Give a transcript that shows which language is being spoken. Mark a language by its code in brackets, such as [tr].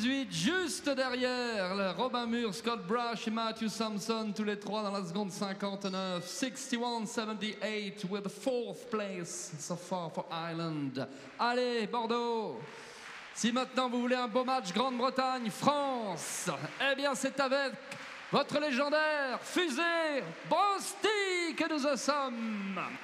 [fr] Juste derrière Robin Moore, Scott Brash et Matthew Sampson, tous les trois dans la seconde 59. [en] 61-78 with the fourth place so far for Ireland. [fr] Allez, Bordeaux! Si maintenant vous voulez un beau match Grande-Bretagne, France, eh bien c'est avec votre légendaire fusée Brosty que nous en sommes.